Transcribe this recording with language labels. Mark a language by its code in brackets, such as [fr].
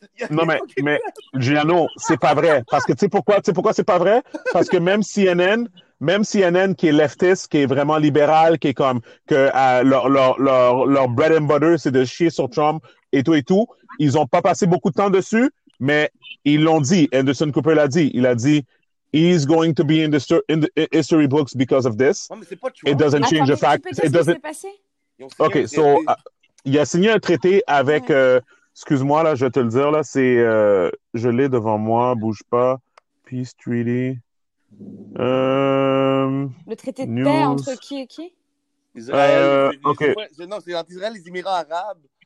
[fr] Non, mais Giuliano, c'est pas vrai. Parce que tu sais pourquoi c'est pas vrai? Parce que même CNN qui est leftiste, qui est vraiment libéral, qui est comme que leur bread and butter, c'est de chier sur Trump et tout, ils ont pas passé beaucoup de temps dessus, mais ils l'ont dit. Anderson Cooper l'a dit. Il a dit, [en] he's going to be in the history books because of this. [fr] Non, mais c'est pas Trump. [en] It doesn't change the fact. [fr] Qu'est-ce qui s'est passé? OK, so, il a signé un traité avec. Ouais. Excuse-moi, là, je vais te le dire, là, c'est... je l'ai devant moi, bouge pas. [en] Peace Treaty. [fr] Le traité de paix entre qui et qui? C'est entre Israël et les Émirats arabes.